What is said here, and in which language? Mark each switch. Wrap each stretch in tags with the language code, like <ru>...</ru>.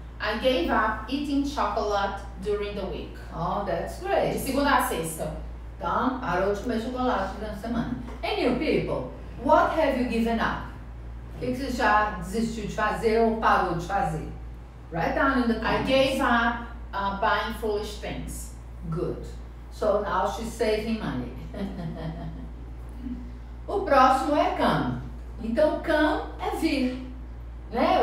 <en>I gave up eating chocolate during the week. Oh, that's great.</en> <pt>De segunda a sexta. Então, parou de comer chocolate durante a semana.</pt> <en>And you people, what have you given up?</en> <pt>O que você já desistiu de fazer ou parou de fazer?</pt> <en>Write down in the comments. I gave up buying foolish things. Good. So now she's saving money.</en> <pt>O próximo é come. Então, come é vir, né?</pt>